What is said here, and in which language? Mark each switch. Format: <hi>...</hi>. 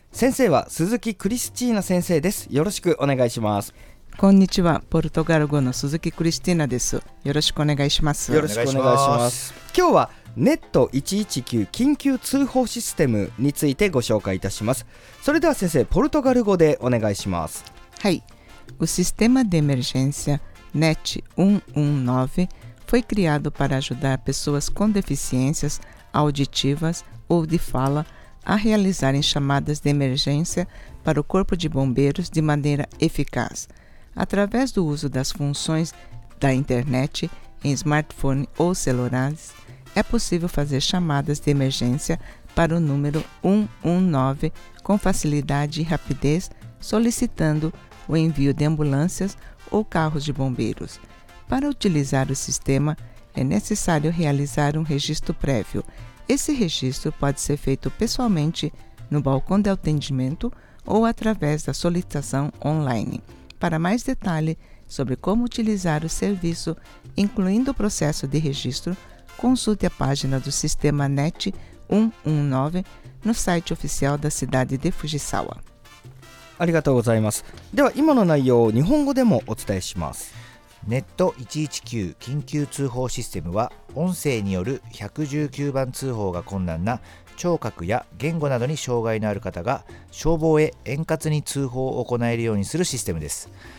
<ja>先生は鈴木クリスチーナ先生です。よろしくお願いします。こんにちは、ポルトガル語の鈴木クリスチーナです。よろしくお願いします。よろしくお願いします。今日はネット119緊急通報システムについてご紹介いたします。それでは先生、ポルトガル語でお願いします。はい。</ja> <pt>O sistema de emergência NET 119 foi criado para ajudar pessoas com deficiências auditivas ou de fala a realizarem chamadas de emergência para o Corpo de Bombeiros de maneira eficaz, através do uso das funções da internet em smartphone ou celulares. É possível fazer chamadas de emergência para o número 119 com facilidade e rapidez, solicitando o envio de ambulâncias ou carros de bombeiros. Para utilizar o sistema, é necessário realizar um registro prévio. Esse registro pode ser feito pessoalmente no balcão de atendimento ou através da solicitação online. Para mais detalhe sobre como utilizar o serviço, incluindo o processo de registro, consulte a página do sistema NET 119 no site oficial da cidade de Fujisawa.</pt> <ja>ありがとうございます。では今の内容を日本語でもお伝えします。ネット119緊急通報システムは、音声による119番通報が困難な聴覚や言語などに障害のある方が消防へ円滑に通報を行えるようにするシステムです。</ja>